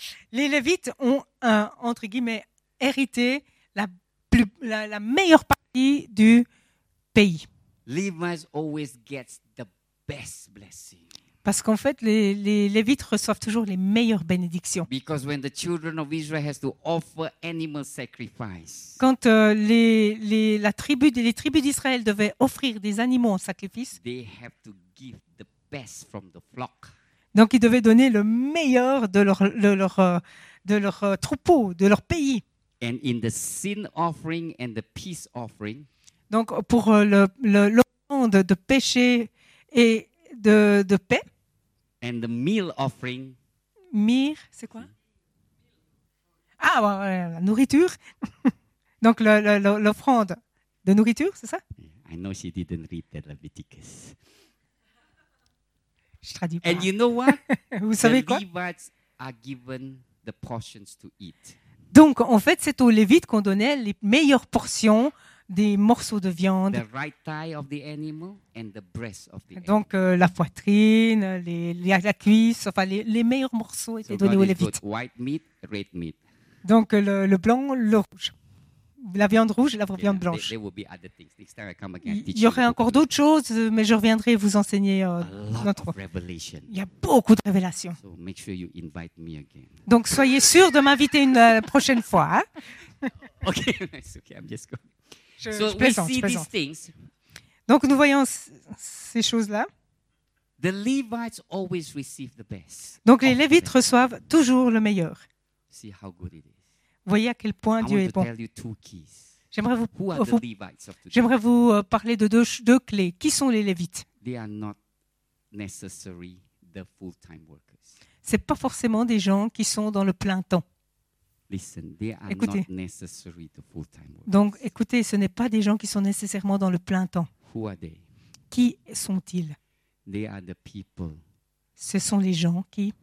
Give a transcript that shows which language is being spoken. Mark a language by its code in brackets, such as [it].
[fr] Les Lévites ont entre guillemets hérité la meilleure partie du pays. [en] Levites always gets the best blessing. [fr] Parce qu'en fait, les Lévites reçoivent toujours les meilleures bénédictions. [en] Because when the children of Israel has to offer animal sacrifice. [fr] Quand les tribus d'Israël devaient offrir des animaux en sacrifice. [en] They have to give the best from the flock. [fr] Donc, ils devaient donner le meilleur de leur troupeau, de leur pays. [en] And in the sin offering and the peace offering, [fr] donc, pour l'offrande de péché et de paix. [en] And the meal offering. [fr] Myrrhe, c'est quoi? Ah, la nourriture. Donc, l'offrande de nourriture, c'est ça? [en] I know she didn't read that Leviticus. [fr] Je traduis pas. [en] And you know what? [fr] Vous savez [en] the [fr] quoi? [en] Levites are given the portions to eat. [fr] Donc, en fait, c'est aux Lévites qu'on donnait les meilleures portions des morceaux de viande. [en] The right thigh of the animal and the breast of the animal. [fr] Donc, la poitrine, la cuisse, enfin, les meilleurs morceaux étaient [en] so [fr] donnés [en] God [fr] aux Lévites. [en] White meat, red meat. [fr] Donc, le blanc, le rouge. La viande rouge et la viande blanche. Il y aurait encore d'autres choses, mais je reviendrai vous enseigner notre. Il y a beaucoup de révélations. [en] So make sure you invite me again. [fr] Donc soyez sûr de m'inviter une prochaine fois. [en] Okay, I'm just going. So we see these things. [fr] Donc nous voyons ces choses-là. [en] The Levites always receive the best. [fr] Donc les Lévites reçoivent toujours le meilleur. [en] See how good it is. [fr] Voyez à quel point Dieu est bon. J'aimerais vous parler de deux clés. Qui sont les Lévites? [en] They are not necessary the full-time workers. [fr] C'est pas forcément des gens qui sont dans le plein temps. [en] Listen, they are écoutez. Not necessary the full-time workers. [fr] Donc, écoutez, ce n'est pas des gens qui sont nécessairement dans le plein temps. [en] Who are they? [fr] Qui sont-ils? [en] They are the people. [fr] Ce sont les gens qui